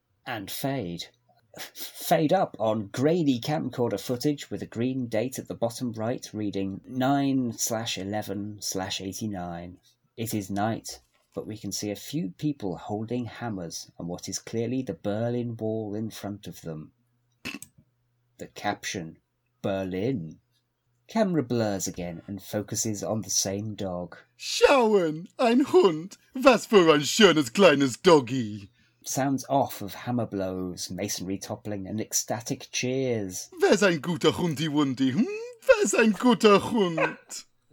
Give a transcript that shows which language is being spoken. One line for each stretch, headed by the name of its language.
English: And fade. Fade up on grainy camcorder footage with a green date at the bottom right reading 9/11/89. It is night, but we can see a few people holding hammers on what is clearly the Berlin Wall in front of them. The caption, Berlin. Camera blurs again and focuses on the same dog.
German: Schauen, ein Hund, was für ein schönes kleines Doggy.
English: Sounds off of hammer blows, masonry toppling and ecstatic cheers.
German: Was ein guter Hundi Wundi, was ein guter Hund.